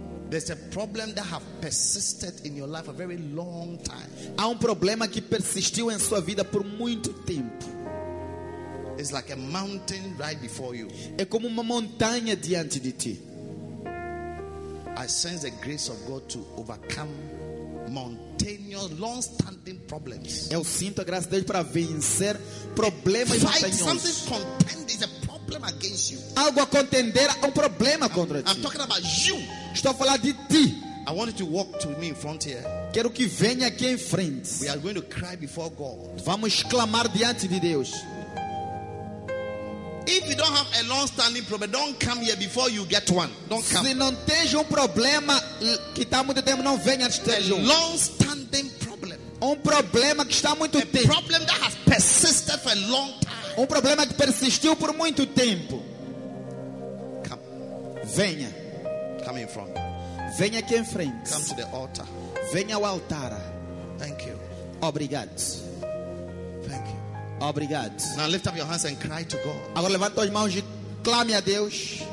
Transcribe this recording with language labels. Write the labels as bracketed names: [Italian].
[English] there's a problem that have persisted in your life a very long time. [Portuguese] Há problema que persistiu em sua vida por muito tempo. [English] It's like a mountain right before you. [Portuguese] É como uma montanha diante de ti. [English] I sense the grace of God to overcome mountainous, long-standing problems. [Portuguese] Eu sinto a graça de Deus para vencer problemas montanhosos. [English] Something contend is a problem against you. [Portuguese] Algo a contender é problema contra ti. [English] I'm talking about you. [Portuguese] Estou a falar de ti. [English] I want you to walk to me in front here. [Portuguese] Quero que venha aqui em frente. [English] We are going to cry before God. [Portuguese] Vamos clamar diante de Deus. [English] If you don't have a long-standing problem, don't come here before you get one. Don't come. [Portuguese] Se não tens problema que está muito tempo, não venha antes de ter. [English] A long-standing problem. [Portuguese] Problema que está muito a tempo. [English] A problem that has persisted for a long time. [Portuguese] Problema que persistiu por muito tempo. [English] Come. [Portuguese] Venha. [English] Come in front. [Portuguese] Venha aqui em frente. [English] Come to the altar. [Portuguese] Venha ao altar. [English] Thank you. [Portuguese] Obrigado. [English] Thank you. [Portuguese] Obrigado. [English] Now lift up your hands and cry to God. [Portuguese] Agora levanta as mãos e clame a Deus.